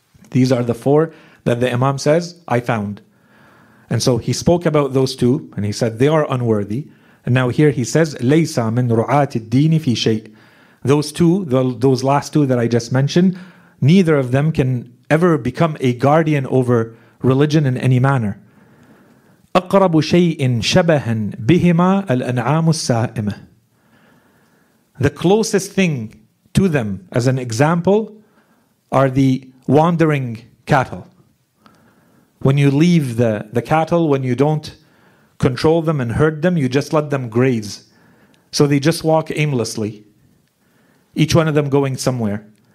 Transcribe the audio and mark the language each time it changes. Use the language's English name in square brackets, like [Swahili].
[English] These are the four that the Imam says, I found. And so he spoke about those two, and he said they are unworthy. And now here he says, [Arabic] لَيْسَ مِنْ رُعَاتِ الدِّينِ فِي شَيْءٍ. [English] Those two, those last two that I just mentioned, neither of them can ever become a guardian over religion in any manner. [Arabic] أَقْرَبُ شَيْءٍ شَبَهًا بِهِمَا الْأَنْعَامُ السَّائِمَةِ. [English] The closest thing to them, as an example, are the wandering cattle. When you leave the cattle, when you don't control them and herd them, you just let them graze. So they just walk aimlessly, each one of them going somewhere.